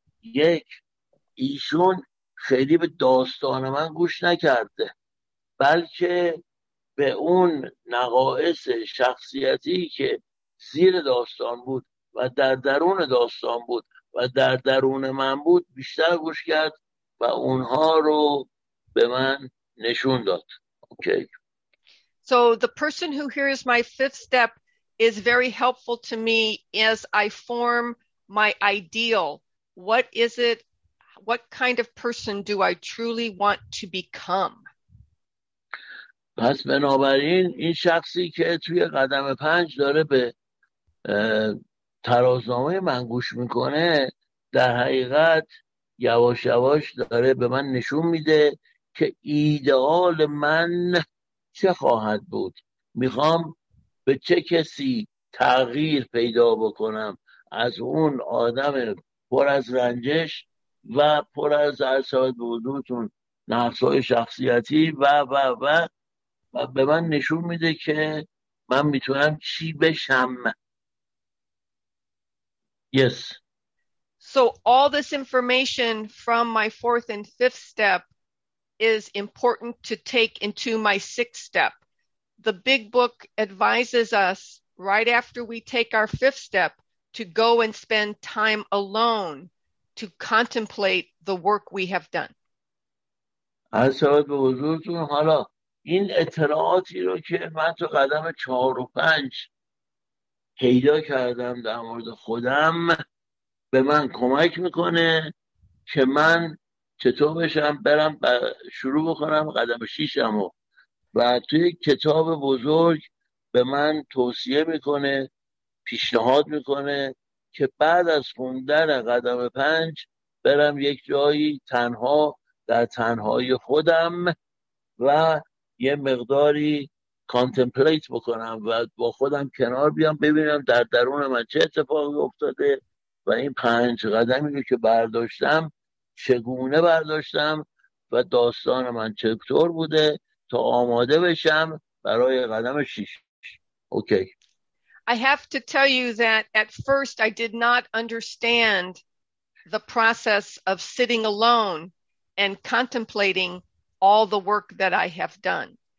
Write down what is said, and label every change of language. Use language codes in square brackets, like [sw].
[fa] یک، ایشون خیلی به داستان من گوش نکرده، بلکه به اون نقایص شخصیتی که زیر داستان بود و در درون داستان بود و در درون من بود بیشتر گوش کرد و اونها رو به من نشون داد. [en] Okay. So the person who hears my fifth step is very helpful to me as I form my ideal. What is it? What kind of person do I truly want to become? [fa] پس بنابراین این شخصی که توی قدم پنج داره به ترازنامه من گوش میکنه در حقیقت یواش یواش داره به من نشون میده که ایدئال من چه خواهد بود، میخوام به چه کسی تغییر پیدا بکنم از اون آدم پر از رنجش و پر از اعصاب بودتون نقصهای شخصیتی و و و و به من نشون میده که من میتونم چی بشم. [en] Yes. So all this information from my fourth and fifth step is important to take into my sixth step. The big book advises us right after we take our fifth step to go and spend time alone to contemplate the work we have done. [fa] اصلا به حضورتون حالا این اطلاعاتی رو که من تو قدم چهار و پنج پیدا کردم در مورد خودم به من کمک میکنه که من چطور بشم برم شروع بکنم قدم شیشم رو. و توی کتاب بزرگ به من توصیه میکنه، پیشنهاد میکنه که بعد از خوندن قدم پنج برم یک جایی تنها در تنهای خودم و یه مقداری کانتمپلیت بکنم و با خودم کنار بیام ببینم در درون من چه اتفاقی افتاده و این پنج قدمی رو که برداشتم چگونه برداشتم و داستان من چطور بوده تا آماده بشم برای قدم شیش. [en] Okay. I have to tell you that at first I did not understand the process of sitting alone and contemplating all the work that I have done.